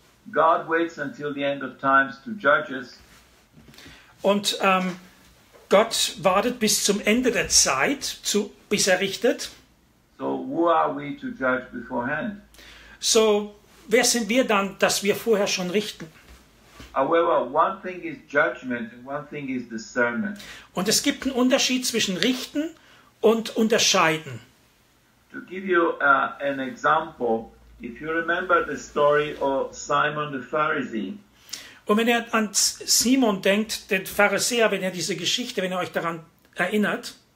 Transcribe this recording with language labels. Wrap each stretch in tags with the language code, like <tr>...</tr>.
<en>God waits until the end of times to judge us.</en> <de>Und Gott wartet bis zum Ende der Zeit, bis er richtet.</de> <en>So, who are we to judge beforehand?</en> <de>So, wer sind wir dann, dass wir vorher schon richten?</de> <en>However, one thing is judgment and one thing is discernment.</en> <de>Und es gibt einen Unterschied zwischen richten und unterscheiden.</de> <en>To give you an example, if you remember the story of Simon the Pharisee.</en> <de>Und wenn ihr an Simon denkt, den Pharisäer, wenn ihr diese Geschichte, wenn ihr euch daran erinnert.</de>